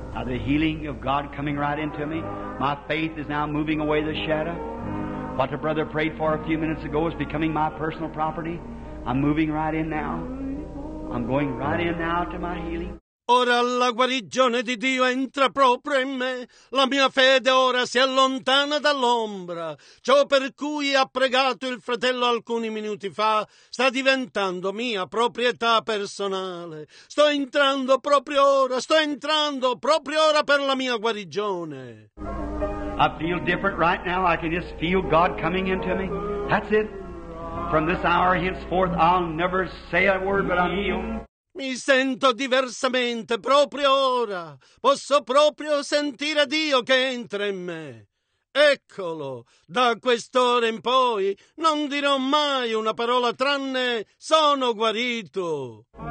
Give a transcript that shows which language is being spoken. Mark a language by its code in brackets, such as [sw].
[en] Now the healing of God coming right into me. My faith is now moving away the shadow. What the brother prayed for a few minutes ago is becoming my personal property. I'm moving right in now. I'm going right in now to my healing. [it] Ora la guarigione di Dio entra proprio in me. La mia fede ora si allontana dall'ombra. Ciò per cui ha pregato il fratello alcuni minuti fa sta diventando mia proprietà personale. Sto entrando proprio ora. Sto entrando proprio ora per la mia guarigione. [en] I feel different right now. I can just feel God coming into me. That's it. From this hour henceforth I'll never say a word but I'm healed. [it] Mi sento diversamente proprio ora. Posso proprio sentire Dio che entra in me. Eccolo, da quest'ora in poi non dirò mai una parola tranne sono guarito.